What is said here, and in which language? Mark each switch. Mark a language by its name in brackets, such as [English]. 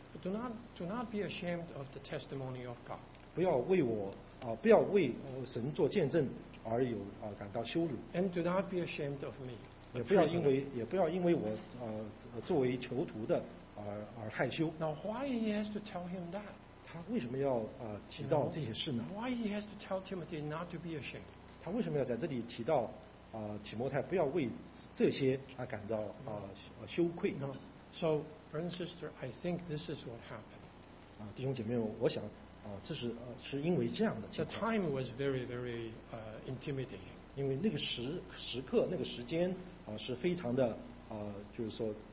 [English] Do not be ashamed of the testimony of God. [Chinese] 不要为我, 不要为神做见证而有, 感到羞辱。 [English] And do not be ashamed of me. [Chinese] 也不要因为我, 作为囚徒的, 而害羞。 [English] Now why he has to tell him that? [Chinese] 他为什么要, 提到这些事呢? [English] Why he has to tell Timothy not to be ashamed? [Chinese] 他为什么要在这里提到, 提摩太不要为这些, 感到, 羞愧呢? [English] So, brother and sister, I think this is what happened. [Chinese] 弟兄姐妹, 我想, 这是, 是因为这样的情况。 [English] The time was very, very, intimidating. [Chinese] 因为那个时刻, 那个时间, 是非常的, 就是说,